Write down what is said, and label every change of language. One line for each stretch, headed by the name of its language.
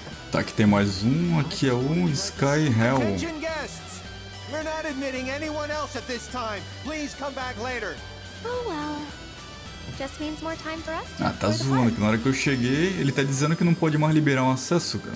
Portuguese: Tá, aqui tem mais um, aqui é um Sky Hell.
English: Attention guests! We're not admitting anyone else at this time. Please come back later. Oh well. Just means more time for us.
Portuguese: Ah, tá zoando, que na hora que eu cheguei, ele tá dizendo que não pode mais liberar um acesso, cara.